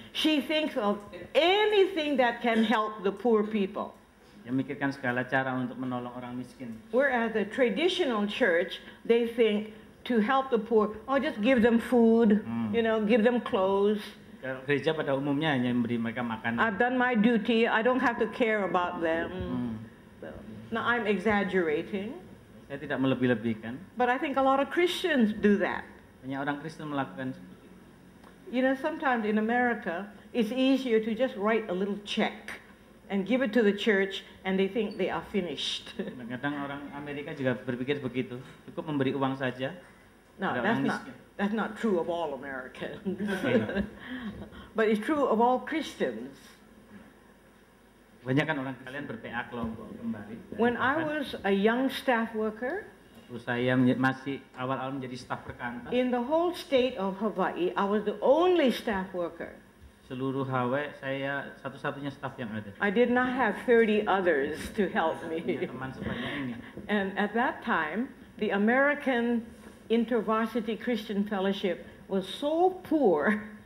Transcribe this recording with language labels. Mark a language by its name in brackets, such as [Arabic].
[English] She thinks of anything that can help the poor people. [Indonesian] Dia memikirkan segala cara untuk menolong orang miskin. [English] Whereas the traditional church, they think to help the poor, oh just give them food, you know, give them clothes. [Indonesian] Gereja pada umumnya hanya memberi mereka makanan. [English] I've done my duty, I don't have to care about them. Now I'm exaggerating. [Indonesian] Saya tidak melebih-lebihkan. [English] But I think a lot of Christians do that. [Indonesian] Banyak orang Kristen melakukan. [English] You know, sometimes in America, it's easier to just write a little check and give it to the church, and they think they are finished. [Indonesian] Kadang orang Amerika juga berpikir begitu. Cukup memberi uang saja. [English] No, that's not true of all Americans. But it's true of all Christians. [Indonesian] Banyakkan orang kalian berPA kelompok kembali. [English] When I was a young staff worker, [Indonesian] saya masih awal-awal menjadi staf perkantas. [English] In the whole state of Hawaii, I was the only staff worker. [Indonesian] Seluruh Hawaii, saya satu-satunya staff yang ada. [English] I did not have 30 others to help me. [Indonesian] Teman sebanyak ini. [English] And at that time, the American InterVarsity Christian Fellowship was so poor.